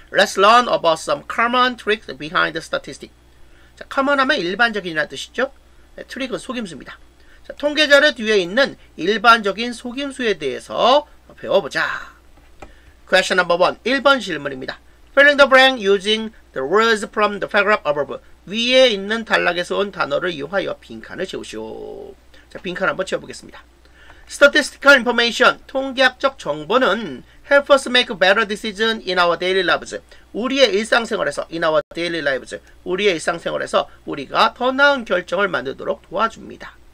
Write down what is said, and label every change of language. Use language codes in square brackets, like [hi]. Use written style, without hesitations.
[en] Let's learn about some common tricks behind statistics. [ko] 자, common 하면 일반적인이라는 뜻이죠. 네, trick은 속임수입니다. 자, 통계자료 뒤에 있는 일반적인 속임수에 대해서 배워보자. [en] Question number 1. [ko] 1번 질문입니다. [en] Fill in the blank using the words from the paragraph above. [ko] 위에 있는 단락에서 온 단어를 이용하여 빈칸을 채우시오. 자, 빈칸 한번 채워보겠습니다. [en] Statistical information, [ko] 통계학적 정보는 [en] help us make better decisions in our daily lives. [ko] 우리의 일상생활에서, [en] in our daily lives, [ko] 우리의 일상생활에서 우리가 더 나은 결정을 만들도록 도와줍니다.